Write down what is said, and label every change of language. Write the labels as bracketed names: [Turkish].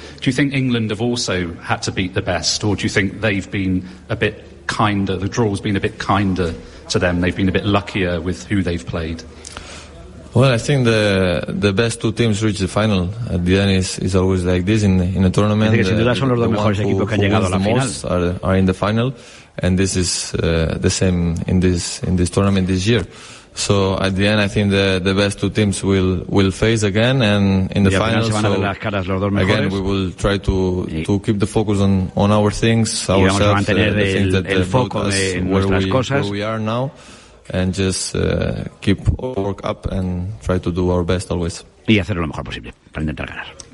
[English] Do you think England have also had to beat the best, or do you think they've been a bit kinder? The draw's been a bit kinder to them. They've been a bit luckier with who they've played. Well, I think the best two teams reach the final. At the end, is always like this in a tournament. [Spanish] Que sin duda son los dos mejores equipos que han llegado a la final. [English] Are in the final, and this is the same in this tournament this year. So at the end, I think the best two teams will face again and in the final. So again, we will try to keep the focus on our things, ourselves, the things that brought us where we are now. And just keep work up and try to do our best always. [Spanish] Y hacer lo mejor posible para intentar ganar.